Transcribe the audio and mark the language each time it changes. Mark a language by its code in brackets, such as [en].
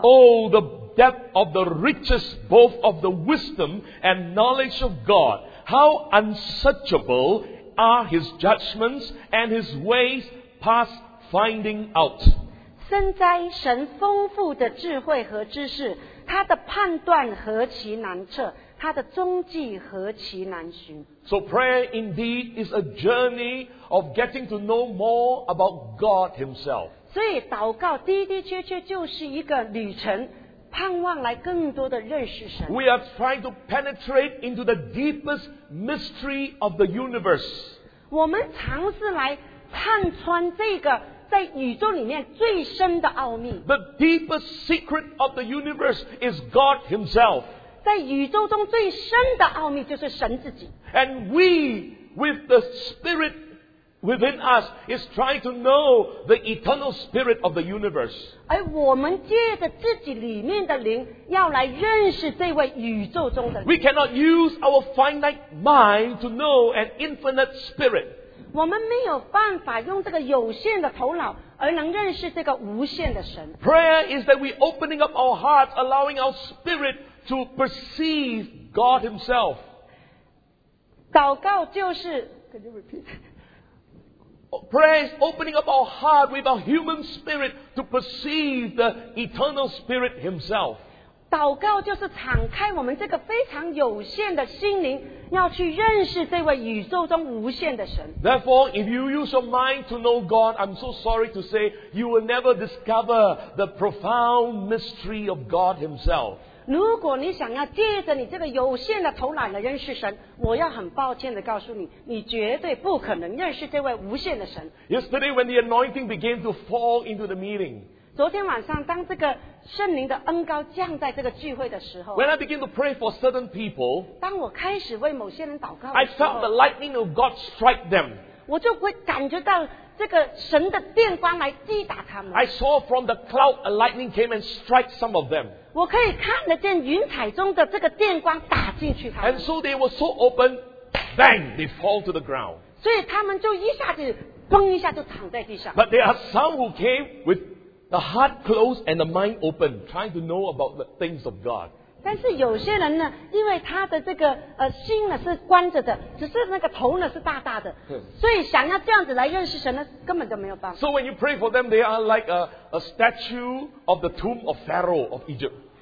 [en] Oh, the depth of the riches both of the wisdom and knowledge of God. How unsearchable are his judgments and his ways past finding out. [zh] 深哉神丰富的智慧和知识, 他的判断何其难测, 他的踪迹何其难寻。 [en] So prayer indeed is a journey of getting to know more about God himself. [zh] 所以祷告的的确确就是一个旅程，盼望来更多的认识神。 [en] We are trying to penetrate into the deepest mystery of the universe. [zh] 我们尝试来探穿这个在宇宙里面最深的奥秘。 [en] The deepest secret of the universe is God Himself. [zh] 在宇宙中最深的奥秘就是神自己。 [en] And we, with the Spirit within us, is trying to know the eternal spirit of the universe. [zh] 而我们借着自己里面的灵，要来认识这位宇宙中的灵。 [en] We cannot use our finite mind to know an infinite spirit. [zh] 我们没有办法用这个有限的头脑而能认识这个无限的神。 [en] Prayer is that we opening up our hearts, allowing our spirit to perceive God Himself. [zh] 祷告就是 [en] Can you repeat? Prayer is opening up our heart with our human spirit to perceive the eternal spirit himself. [zh] 祷告就是敞开我们这个非常有限的心灵，要去认识这位宇宙中无限的神。 [en] Therefore, if you use your mind to know God, I'm so sorry to say, you will never discover the profound mystery of God himself. [zh] 如果你想要借着你这个有限的头脑来认识神，我要很抱歉地告诉你，你绝对不可能认识这位无限的神。 [en] Yesterday, when the anointing began to fall into the meeting, [zh] 昨天晚上当这个圣灵的恩膏降在这个聚会的时候， [en] when I began to pray for certain people, [zh] 当我开始为某些人祷告的时候， [en] I felt the lightning of God strike them. [zh] 我就会感觉到这个神的电光来击打他们。 [en] I saw from the cloud a lightning came and strike some of them. [zh] 我可以看得见云彩中的这个电光打进去他们。 [en] And so they were so open, bang, they fall to the ground. [zh] 所以他们就一下子嘣一下就躺在地上。 [en] But there are some who came with the heart closed and the mind open, trying to know about the things of God. [zh] 但是有些人呢，因为他的这个心呢是关着的，只是那个头呢是大大的，所以想要这样子来认识神呢，根本就没有办法。 [en] So when you pray for them, they are like a statue of the tomb of Pharaoh of Egypt.